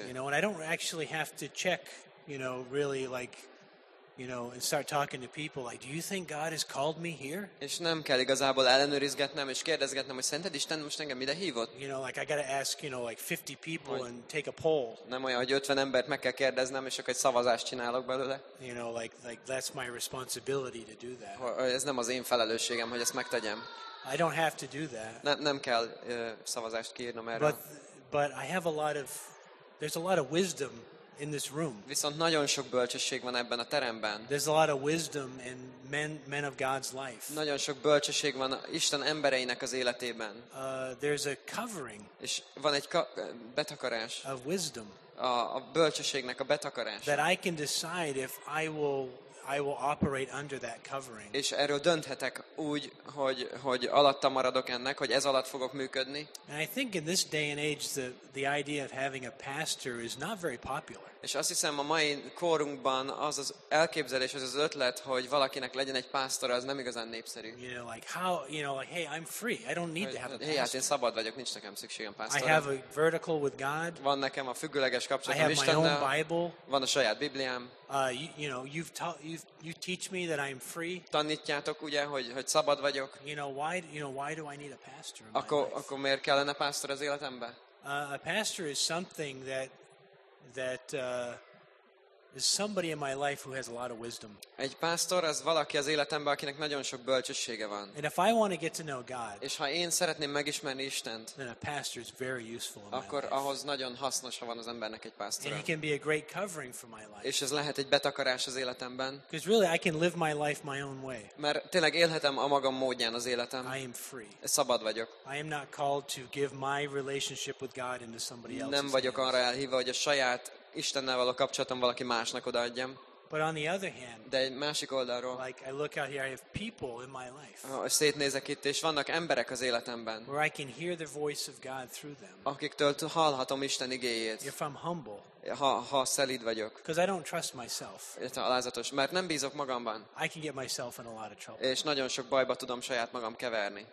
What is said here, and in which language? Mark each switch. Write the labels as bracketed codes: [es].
[en] You know, and I don't actually have to check, you know, really like, you know, and start talking to people like, do you think God has called me here? [hu] És nem kell igazából ellenőrizgetnem és kérdezgetnem, hogy szerinted Isten most engem ide hívott? [en] You know, like I gotta ask, you know, like 50 people and take a poll. [hu] Nem olyan, hogy 50 embert meg kell kérdeznem, és akkor egy szavazást csinálok belőle. [en] You know, like that's my responsibility to do that. [hu] Ez nem az én felelősségem, hogy ezt megtegyem. [en] I don't have to do that. [hu] Nem kell szavazást kiírnom erre. [en] But I have a lot of, there's a lot of wisdom in this room. [hu] Viszont nagyon sok bölcsesség van ebben a teremben. [en] There's a lot of wisdom in men of God's life. [hu] Nagyon sok bölcsesség van Isten embereinek az életében. [en] There's a covering. [hu] És van egy betakarás. [en] Of wisdom. [hu] A bölcsességnek a betakarás. [en] That I can decide if I will operate under that covering. [hu] És erről dönthetek úgy, hogy alatta maradok ennek, hogy ez alatt fogok működni. [en] And I think in this day and age the idea of having a pastor is not very popular. [hu] És azt hiszem, a mai korunkban az elképzelés, az ötlet, hogy valakinek legyen egy pásztora, az nem igazán népszerű. [en] You know, like how, you know, like, hey, I'm free. I don't need to have a pastor. [hu] Hey, hát én szabad vagyok, nincs nekem szükségem pásztorra. [en] I have a vertical with God. [hu] Van nekem a függőleges kapcsolatom [en] Istennel. I have my own Bible. [hu] Van a saját Bibliám. [en] You know, you teach me that I'm free. [hu] Tanítjátok ugye, hogy szabad vagyok. [en] You know why do I need a pastor? [hu] Akkor miért kellene pásztor az életembe? [en] A pastor is something that is somebody in my life who has a lot of wisdom. [hu] Egy pásztor az valaki az életemben, akinek nagyon sok bölcsessége van. [en] And if I want to get to know God, [hu] és ha én szeretném megismerni Istent, [en] then a pastor is very useful in my life. [hu] Akkor ahhoz nagyon hasznos, ha van az embernek egy pásztora. [en] And he can be a great covering for my life. [hu] És ez lehet egy betakarás az életemben. [en] Because really I can live my life my own way. [hu] Mert tényleg élhetem a magam módján az életem. [en] I am free. [hu] Szabad vagyok. [en] I am not called to give my relationship with God into somebody else's. [hu] Nem vagyok arra elhívva, hogy a saját Istennel való kapcsolatom valaki másnak odaadjam. [en] But on the other hand, [hu] de egy másik oldalról, [en] like I look out here, I have people in my life. [hu] Szétnézek itt, és vannak emberek az életemben. [en] Where I can hear the voice of God through them. [hu] Akiktől hallhatom Isten igéjét. [en] If I'm humble. [hu] Ha szelíd vagyok. [en] Because I don't trust myself. [hu] Ezt alázatos, mert nem bízok magamban. [en] I can get myself in a lot of trouble. [hu] És nagyon sok bajba tudom saját magam keverni.